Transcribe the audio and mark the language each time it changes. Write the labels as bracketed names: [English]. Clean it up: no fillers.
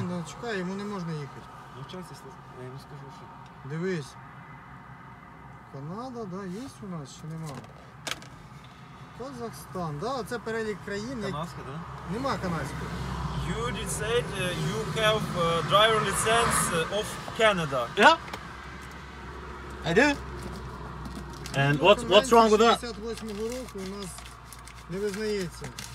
[Ukrainian] Ну, чекай, йому не можна їхати. Ну, час, я йому скажу, що... Дивись. Канада, да, є у нас чи немає? Казахстан, да, це перелік країн. Канадська, да? Нема канадської. [English] You did say you have driver license of Canada. Yeah. I do. And what's wrong with that? [Ukrainian] 68-го року у нас не визнається.